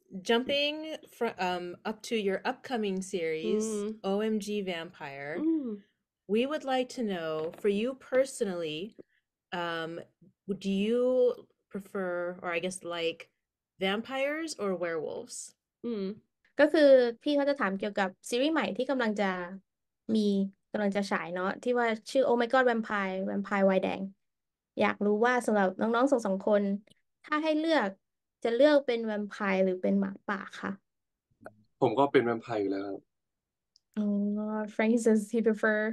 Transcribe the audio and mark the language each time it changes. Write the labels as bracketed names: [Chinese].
[English] Jumping from up to your upcoming series, OMG Vampire, we would like to know for you personally, do you prefer or I guess like vampires or werewolves? [Thai] ก็คือพี่เขาจะถามเกี่ยวกับซีรีส์ใหม่ที่กำลังจะมีกำลังจะฉายเนาะที่ว่าชื่อ Oh My God Vampire วายแดงอยากรู้ว่าสำหรับน้องๆสองคนถ้าให้เลือกจะเลือกเป็นแวมไพร์หรือเป็นหมาป่าค่ะ ผมก็เป็นแวมไพร์อยู่แล้วครับ [English] อ๋อ Francis he prefer